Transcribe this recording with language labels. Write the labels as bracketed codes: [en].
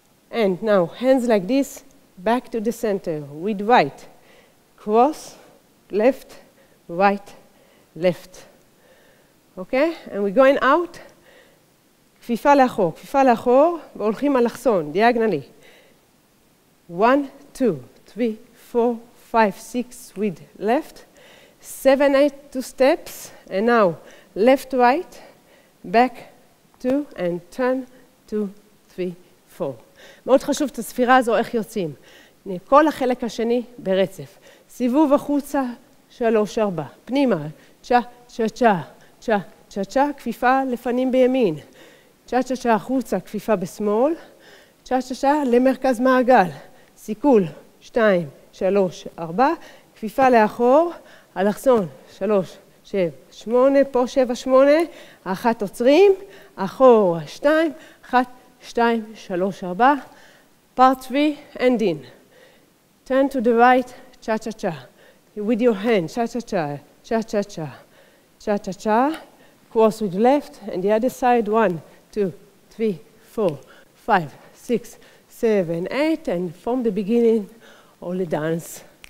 [en] and now hands like this, back to the center, with right, cross, left, right, left. Okay, and we're going out, [he] כפיפה לאחור, כפיפה לאחור, והולכים על אחסון, דיאגנלי. [en] One, two, three, four, five, six, with left, seven, eight, two steps, and now left, right, back, two, and turn, two, three, four. [he] מאוד חשוב את הספירה הזו, איך יוצאים. כל החלק השני ברצף. סיבוב החוצה, שלוש, ארבע. פנימה, צ'ה, צ'ה, צ'ה, צ'ה, צ'ה, צ'ה, כפיפה לפנים בימין. צ'ה, צ'ה, צ'ה, החוצה, כפיפה בשמאל. צ'ה, צ'ה, צ'ה, למרכז מעגל. סיכול, שתיים. שלוש, ארבע, כפיפה לאחור, אלכסון, שלוש, שבע, שמונה, פה שבע, שמונה, אחת עוצרים, אחור, שתיים, אחת, שתיים, שלוש, ארבע, [en] part three, end in. Turn to the right, cha-cha-cha, with your hand, cha-cha-cha, cha-cha-cha, cha-cha-cha, cross with the left, and the other side, one, two, three, four, five, six, seven, eight, and from the beginning, all the dance.